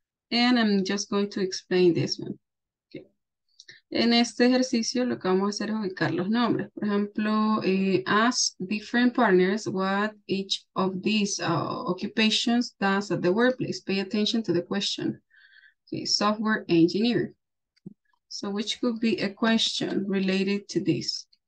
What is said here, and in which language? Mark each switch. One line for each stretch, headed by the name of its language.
English: And I'm just going to explain this one.
Spanish: En este ejercicio lo que vamos a hacer es ubicar los nombres. Por ejemplo,
English: ask different partners what each of these occupations does at the workplace. Pay attention to the question. Okay, software engineer. So which could be a question related to this?